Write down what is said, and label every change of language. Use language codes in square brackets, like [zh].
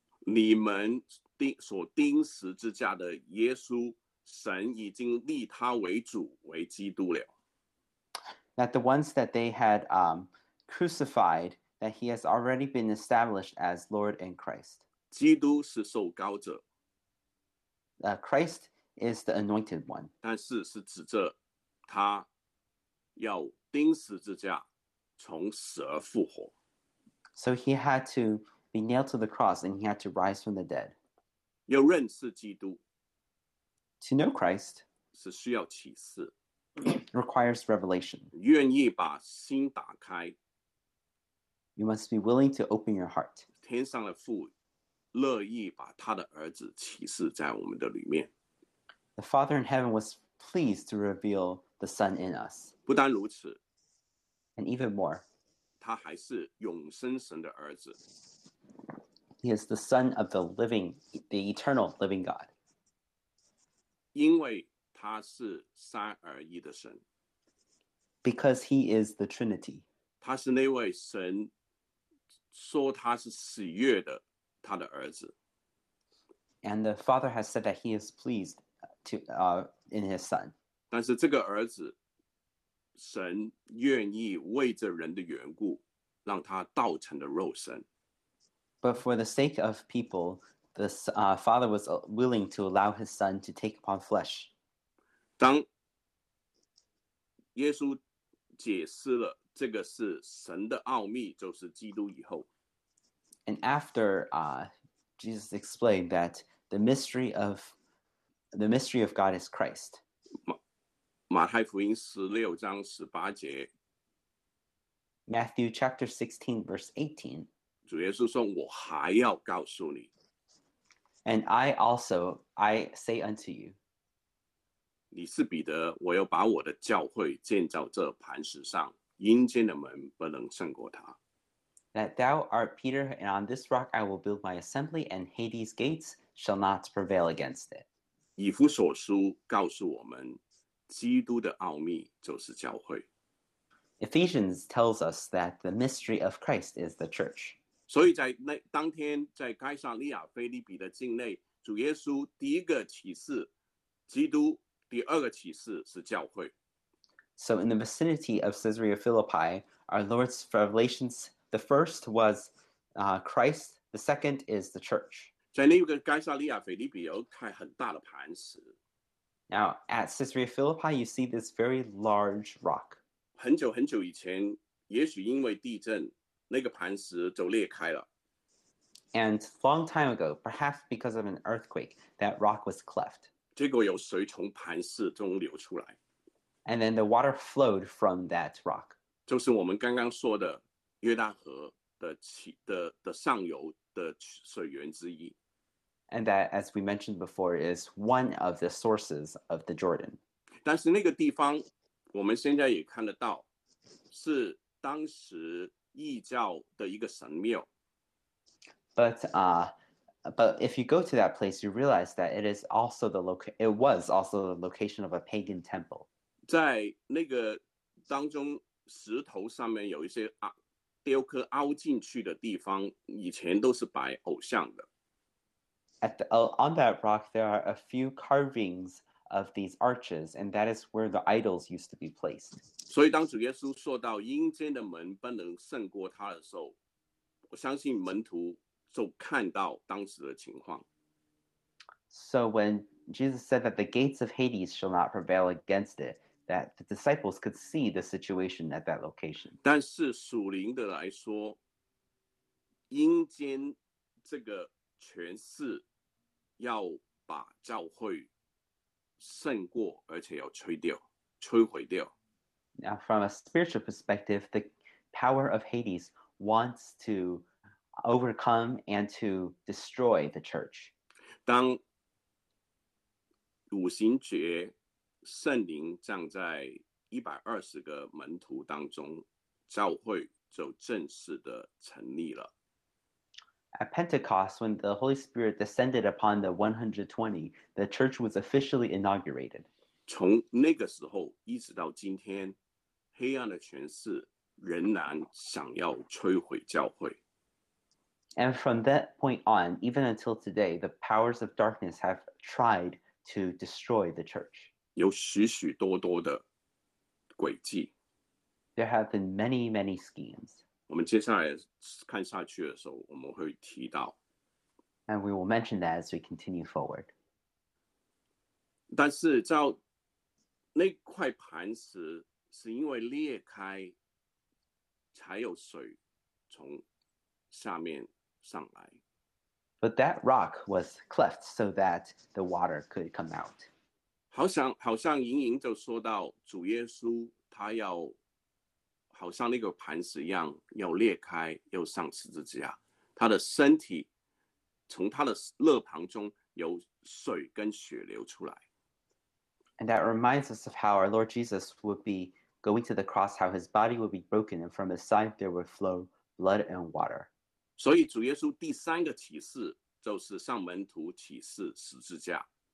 [zh] 你们所钉十字架的耶稣，神已经立他为主，为基督了。 [en] That the ones that they had crucified, that he has already been established as Lord and Christ. [zh] 基督是受膏者。 [en] Christ is the anointed one. [zh] 但是是指着他要钉十字架，从死而复活。 [en] So he had to be nailed to the cross and he had to rise from the dead. [zh] 要认识基督。 [en] To know Christ. [zh] 是需要启示。 [en] Requires revelation. [zh] 愿意把心打开。 [en] You must be willing to open your heart. [zh] 天上的父乐意把他的儿子启示在我们的里面。 [en] The Father in heaven was pleased to reveal the Son in us. [zh] 不单如此。 [en] And even more. [zh] 他还是永生神的儿子。 [en] He is the Son of the living, the eternal living God. [zh] 因为他是三而一的神。 [en] Because he is the Trinity. [zh] 他是那位神说他是喜悦的他的儿子。 [en] And the father has said that he is pleased to in his son. [zh] 但是这个儿子，神愿意为这人的缘故，让他道成的肉身。 [en] But for the sake of people, the father was willing to allow his son to take upon flesh. [zh] 当耶稣解释了这个是神的奥秘，就是基督以后。 [en] And after Jesus explained that the mystery of God is Christ. [zh] 马太福音16章18节 [en] Matthew chapter 16 verse 18 [zh] 主耶稣说我还要告诉你 [en] And I say unto you [zh] 你是彼得我要把我的教会建造这磐石上阴间的门不能胜过它 [en] That thou art Peter and on this rock I will build my assembly and Hades gates shall not prevail against it [zh] 以弗所书告诉我们基督的奥秘就是教会。 [en] Ephesians tells us that the mystery of Christ is the church. [zh] 所以在那当天，在该撒利亚腓立比的境内，主耶稣第一个启示，基督；第二个启示是教会。 [en] So in the vicinity of Caesarea Philippi, our Lord's revelations: the first was Christ; the second is the church. [zh] 在那个该撒利亚腓立比有块很大的磐石。 [en] Now, at Caesarea Philippi, you see this very large rock. [zh] 很久很久以前，也许因为地震，那个磐石就裂开了。 [en] And long time ago, perhaps because of an earthquake, that rock was cleft. [zh] 结果有水从磐石中流出来。 [en] And then the water flowed from that rock. [zh] 就是我们刚刚说的约旦河的上游的水源之一。 [en] And that, as we mentioned before, is one of the sources of the Jordan. [zh] 但是那个地方，我们现在也看得到，是当时异教的一个神庙。 [en] But if you go to that place, you realize that it is also the it was also the location of a pagan temple. [zh] 在那个当中，石头上面有一些雕刻凹进去的地方，以前都是摆偶像的。 [en] On that rock, there are a few carvings of these arches, and that is where the idols used to be placed. [zh] 所以当主耶稣说到阴间的门不能胜过他的时候，我相信门徒就看到当时的情况。 [en] So when Jesus said that the gates of Hades shall not prevail against it, that the disciples could see the situation at that location. [zh] 但是属灵的来说，阴间这个全是要把教会胜过，而且要摧毁掉。 [en] Now, from a spiritual perspective, the power of Hades wants to overcome and to destroy the church. [zh] 当五旬节圣灵降在120个门徒当中，教会就正式的成立了。 [en] At Pentecost, when the Holy Spirit descended upon the 120, the church was officially inaugurated. [zh] 从那个时候一直到今天，黑暗的权势仍然想要摧毁教会。 [en] And from that point on, even until today, the powers of darkness have tried to destroy the church. [zh] 有许许多多的诡计。 [en] There have been many, many schemes. [zh] 我们接下来看下去的时候，我们会提到。 [en] And we will mention that as we continue forward. [zh] 但是照那块磐石是因为裂开，才有水从下面上来。 [en] But that rock was cleft so that the water could come out. [zh] 好像莹莹就说到主耶稣他要。好像那个磐石一样，要裂开，要上十字架。他的身体从他的肋旁中有水跟血流出来。 [en] And that reminds us of how our Lord Jesus would be going to the cross, how his body would be broken, and from his side there would flow blood and water. [zh] 所以主耶稣第三个启示就是向门徒启示十字架。